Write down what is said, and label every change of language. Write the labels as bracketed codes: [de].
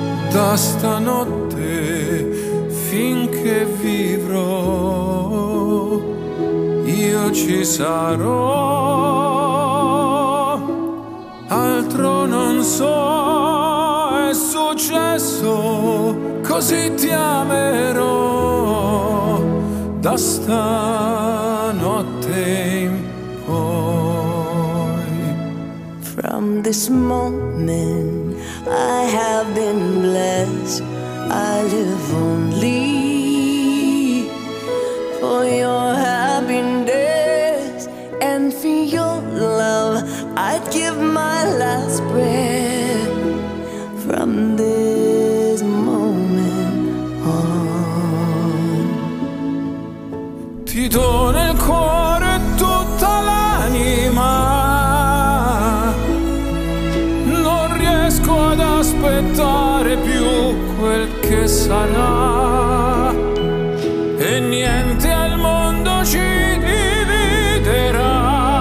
[it] da stanotte finché vivrò, io ci sarò, altro non so, è successo, così ti amerò da stanotte in poi. [en] From this moment I have been blessed, I live only for your happiness and for your love. I'd give my last breath from this moment on. [it] Ti do nel cuore tutta l'anima, non riesco ad aspettare più quel che sarà, e niente al mondo ci dividerà.